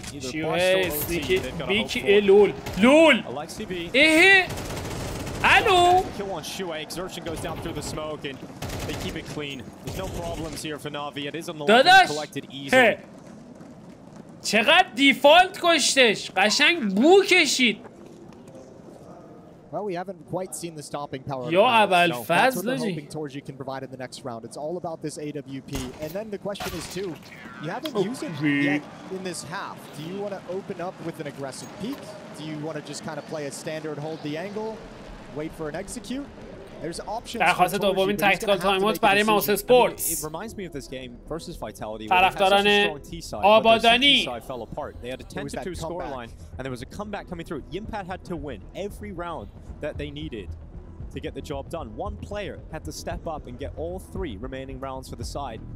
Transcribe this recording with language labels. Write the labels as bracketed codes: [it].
[fa] شیوه [en] سنیکی بی کی لول لول [fa] ایه الو داداش چقدر دیفالت کشتش قشنگ بو کشید [en] Well, we haven't quite seen the stopping power. Yo, Abel Fazli. That's what I'm hoping Torji can provide in the next round. It's all about this AWP. And then the question is too, you haven't used it yet in this half. Do you want to open up with an aggressive peek? Do you want to just kind of play a standard, hold the angle, wait for an execute? There's options. [fa] در خواست دومین تاکتیکال تایم اوت برای MOUZ Sports. [en] It reminds me of this game versus Vitality. [fa] طرفداران آبادانی. [en] They had a 10-2 scoreline and there was a comeback coming through. Impact had to win every round that they needed to get the job done. One player had to step up and get all three remaining rounds for the side.